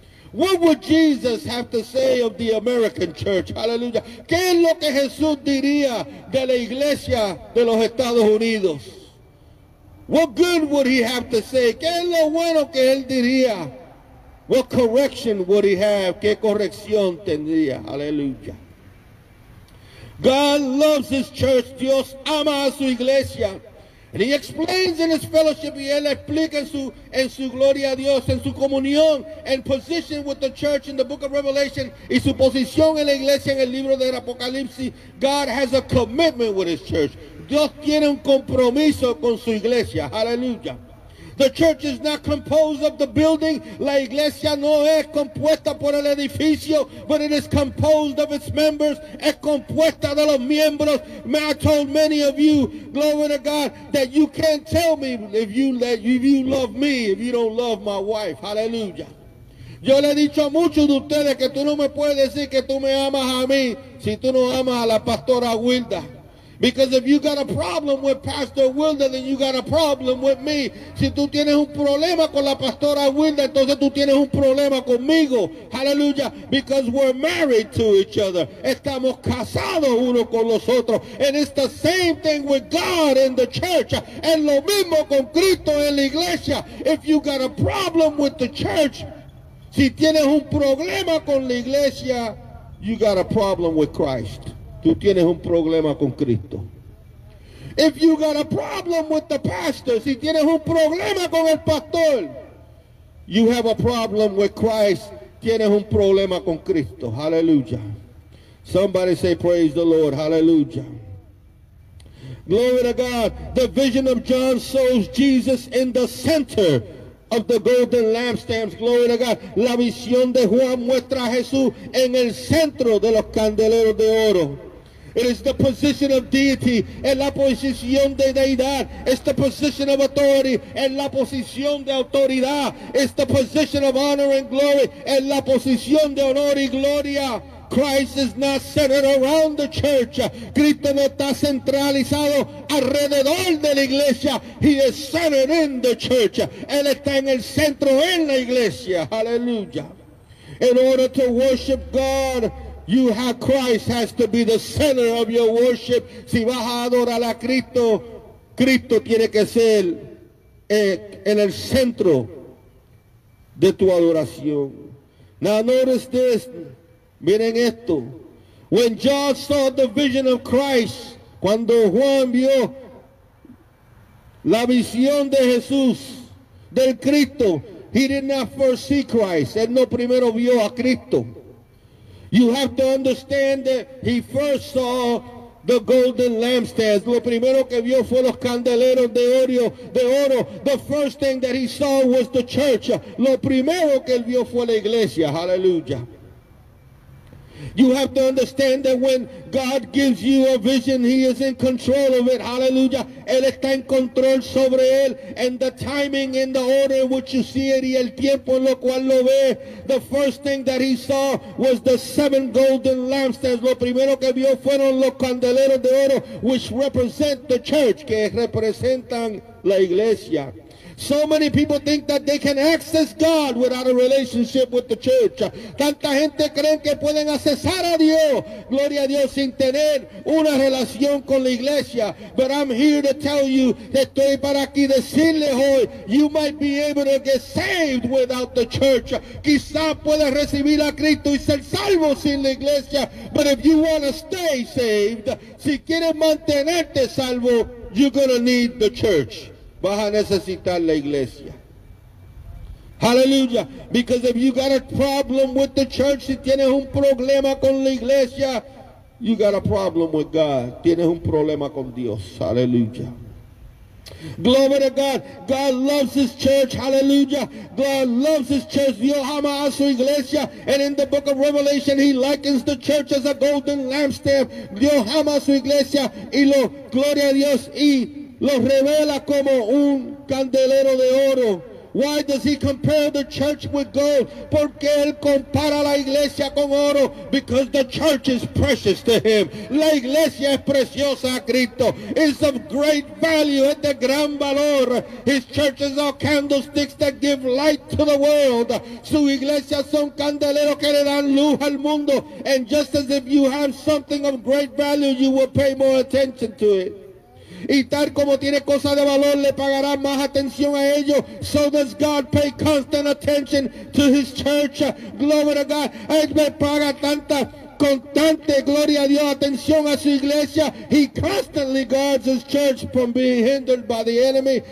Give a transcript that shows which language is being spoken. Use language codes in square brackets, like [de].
[en] What would Jesus have to say of the American church? Hallelujah. [es] ¿Qué es lo que Jesús diría de la iglesia de los Estados Unidos? [en] What good would he have to say? [es] ¿Qué es lo bueno que él diría? [en] What correction would he have? [es] ¿Qué corrección tendría? [en] Hallelujah. God loves his church. [es] Dios ama a su iglesia. [en] And he explains in his fellowship, [es] y él explica en su gloria a Dios, en su comunión, [en] and position with the church in the book of Revelation, [es] y su posición en la iglesia en el libro del Apocalipsis. [en] God has a commitment with his church. [es] Dios tiene un compromiso con su iglesia. [en] Hallelujah. The church is not composed of the building. [es] La iglesia no es compuesta por el edificio, [en] but it is composed of its members. [es] Es compuesta de los miembros. [en] Man, I told many of you, glory to God, that you can't tell me if you love me, if you don't love my wife. Hallelujah. [es] Yo le he dicho a muchos de ustedes que tú no me puedes decir que tú me amas a mí si tú no amas a la pastora Wilda. [en] Because if you got a problem with Pastor Wilder, then you got a problem with me. [es] Si tú tienes un problema con la pastora Wilder, entonces tú tienes un problema conmigo. [en] Hallelujah. Because we're married to each other. [es] Estamos casados uno con los otros. [en] And it's the same thing with God in the church. [es] Es lo mismo con Cristo en la iglesia. [en] If you got a problem with the church, [es] si tienes un problema con la iglesia, [en] you got a problem with Christ. [es] Tú tienes un problema con Cristo. [en] If you got a problem with the pastor, [es] si tienes un problema con el pastor, [en] you have a problem with Christ. [es] Tienes un problema con Cristo. [en] Hallelujah. Somebody say praise the Lord. Hallelujah. Glory to God. The vision of John shows Jesus in the center of the golden lampstands. Glory to God. [es] La visión de Juan muestra a Jesús en el centro de los candeleros de oro. [en] It is the position of deity. [es] Es la posición de deidad. [en] It's the position of authority. [es] Es la posición de autoridad. [en] It's the position of honor and glory. [es] Es la posición de honor y gloria. [en] Christ is not centered around the church. [es] Cristo no está centralizado alrededor de la iglesia. [en] He is centered in the church. [es] Él está en el centro en la iglesia. [en] Hallelujah. In order to worship God, you have Christ has to be the center of your worship. [es] Si vas a adorar a Cristo, Cristo tiene que ser en el centro de tu adoración. [en] Now notice this. [es] Miren esto. [en] When John saw the vision of Christ, [es] cuando Juan vio la visión de Jesús, del Cristo, [en] he did not first see Christ. [es] Él no primero vio a Cristo. [en] You have to understand that he first saw the golden lampstands. [es] Lo primero que vio fue los candeleros de oro. [en] The first thing that he saw was the church. [es] Lo primero que él vio fue la iglesia. [en] Hallelujah. You have to understand that when God gives you a vision, he is in control of it. Hallelujah. [es] Él está en control sobre él. [en] And the timing and the order in which you see it, [es] y el tiempo en lo cual lo ve. The first thing that he saw was the seven golden lampstands. Lo primero que vio fueron los candeleros de oro, [en] which represent the church, [es] que representan la iglesia. [en] So many people think that they can access God without a relationship with the church. [es] Tanta gente creen que pueden accesar a Dios, gloria a Dios, sin tener una relación con la iglesia. [en] But I'm here to tell you, [es] estoy para aquí decirle hoy, [en] you might be able to get saved without the church. [es] Quizá puedas recibir a Cristo y ser salvo sin la iglesia. [en] But if you want to stay saved, [es] si quieres mantenerte salvo, [en] you're going to need the church. [es] Vas a necesitar la iglesia. Hallelujah. [en] Because if you got a problem with the church, [es] si tienes un problema con la iglesia, [en] you got a problem with God. [es] Tienes un problema con Dios. Hallelujah. [en] Glory to God. God loves his church. Hallelujah. God loves his church. [es] Dios ama a su iglesia. [en] And in the book of Revelation, he likens the church as a golden lampstand. [es] Dios ama a su iglesia. Y lo gloria a Dios y los revela como un candelero de oro. [en] Why does he compare the church with gold? [es] Porque él compara la iglesia con oro. [en] Because the church is precious to him. [es] La iglesia es preciosa a Cristo. [en] It's of great value. [es] Es de gran valor. [en] His churches are candlesticks that give light to the world. [es] Su iglesia son candeleros que le dan luz al mundo. [en] And just as if you have something of great value, you will pay more attention to it. [es] Y tal como tiene cosas de valor, le pagará más atención a ellos. [en] So does God pay constant attention to his church. Glory to God. [es] Él me paga tanta constante, gloria a Dios, atención a su iglesia. [en] He constantly guards his church from being hindered by the enemy.